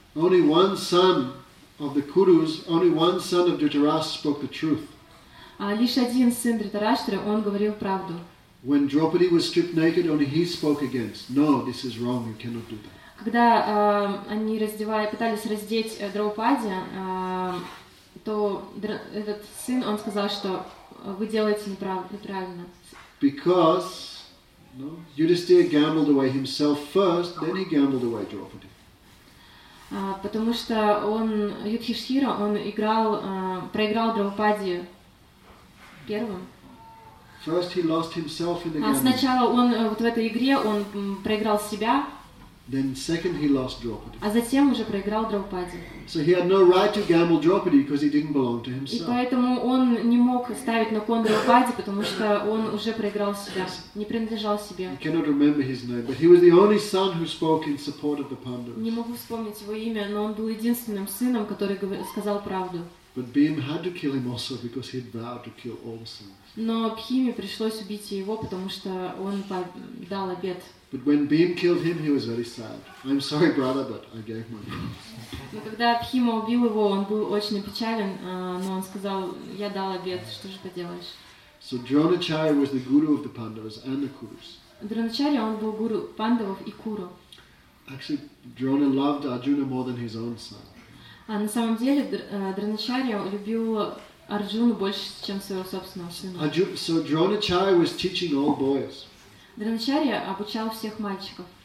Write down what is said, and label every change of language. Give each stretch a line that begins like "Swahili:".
English: Only one son of the Kurus, only one son of Dhritarashtra spoke the truth.
Russian: Лишь один сын Дхритарашты, он говорил правду.
English: When Draupadi was stripped naked, only he spoke against. No, this is wrong. You cannot do that.
Russian: Когда они пытались раздеть Драупади, то этот сын, он сказал, что вы делаете неправильно.
English: Because, no, Yudhisthira gambled away himself first, then he gambled away Draupadi.
Russian: Потому что он, Юдхиштхира, он играл, проиграл Драупади первым.
English: First he lost himself in the gambling.
Russian: Сначала он вот в этой игре, он проиграл себя.
English: Then second he lost Draupadi.
Russian: А затем уже проиграл Драупади.
English: So he had no right to gamble Draupadi because he didn't belong to himself.
Russian: И поэтому он не мог ставить на кон Драупади, потому что он уже проиграл себя, не принадлежал себе.
English: I cannot remember his name, but he was the only son who spoke in support of the Pandavas.
Russian: Не могу вспомнить его имя, но он был единственным сыном, который сказал правду.
English: But Bhim had to kill him also because he had vowed to kill all the sons.
Russian: Но Бхиме пришлось убить его, потому что он дал обет.
English: But when Bhim killed him, he was very sad. I'm sorry, brother, but I gave my life.
Russian: Но когда Бхима убил его, он был очень опечален, но он сказал: "Я дал обет, что же поделаешь?"
English: So Dronacharya was the guru of the Pandavas and the Kurus.
Russian: Дроначарья он был гуру Пандавов и Куру.
English: Actually, Drona loved Arjuna more than his own son.
Russian: А на самом деле Дроначарья любил Арджуну больше, чем своего собственного сына.
English: So Дроначарья was teaching all boys.
Russian: Дроначарья обучал всех мальчиков.